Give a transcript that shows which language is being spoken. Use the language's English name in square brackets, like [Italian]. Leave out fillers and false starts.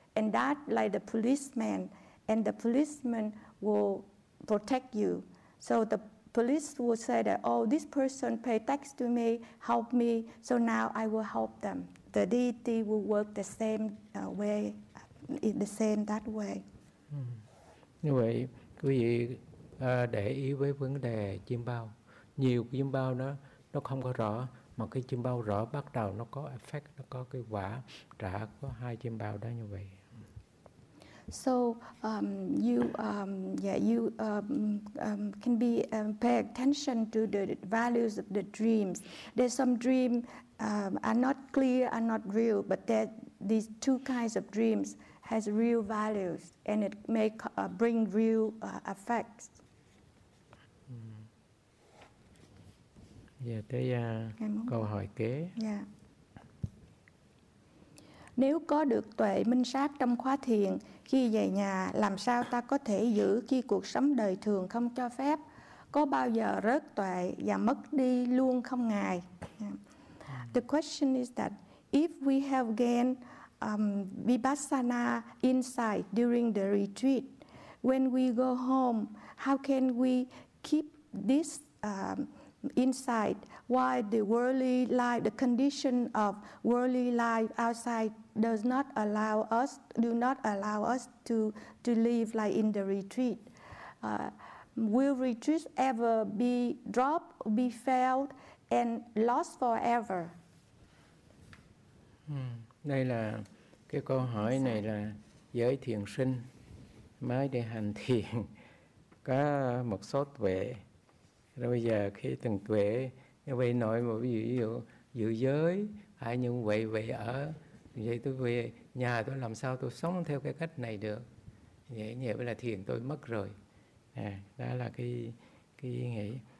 [English] And that, like the policeman, and the policeman will protect you. So the police will say that, oh, this person paid tax to me, help me, so now I will help them. The deity will work the same way, in the same that way. [Vietnamese] Như vậy, quý vị để ý với vấn đề chim bao. Nhiều chim bao nó không có rõ, mà cái chim bao rõ bắt đầu nó có effect, nó có cái quả trả có hai chim bao đó như vậy. [English] So you can pay attention to the values of the dreams. There's some dreams are not clear, are not real, but that these two kinds of dreams has real values and it may bring real effects. [Vietnamese] Yeah, tới câu hỏi kế. [English] Yeah. [Vietnamese] Nếu có được tuệ minh sát trong khóa thiền, khi về nhà, làm sao ta có thể giữ khi cuộc sống đời thường không cho phép? Có bao giờ rớt tuệ và mất đi luôn không ngài? [English] The question is that if we have gained vipassana insight during the retreat, when we go home, how can we keep this insight while the worldly life, the condition of worldly life outside does not allow us, do not allow us to live like in the retreat. Will retreat ever be dropped, be failed, and lost forever? [Vietnamese] Đây là cái câu hỏi này là giới thiền sinh mới đi hành thiền có một số tuệ. Rồi bây giờ khi từng tuệ như vậy nói một ví dụ giữ giới hay như vậy vậy ở vậy tôi về nhà tôi làm sao tôi sống theo cái cách này được, vậy như vậy là thiền tôi mất rồi à, đó là cái ý nghĩ.